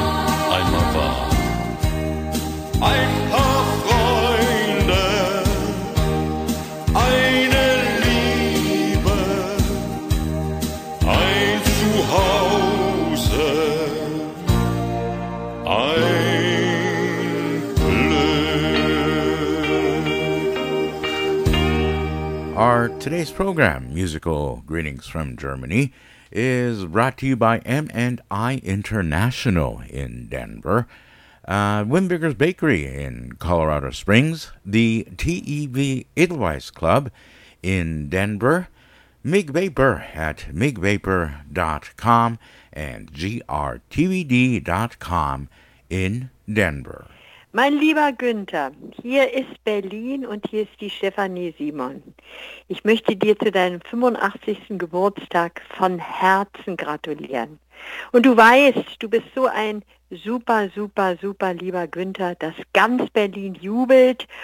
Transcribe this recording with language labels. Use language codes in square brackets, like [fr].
[de] Ein paar Freunde, eine Liebe, ein Zuhause, ein Glück. [en] Our today's program, Musical Greetings from Germany, is brought to you by M&I International in Denver, Wimbiger's Bakery in Colorado Springs, the TEV Edelweiss Club in Denver, Mig Vapor at migvapor.com, and grtvd.com in Denver. [de] Mein lieber Günther, hier ist Berlin und hier ist die Stefanie Simon. Ich möchte dir zu deinem 85. Geburtstag von Herzen gratulieren. Und du weißt, du bist so ein super, super, super lieber Günther, dass ganz Berlin jubelt.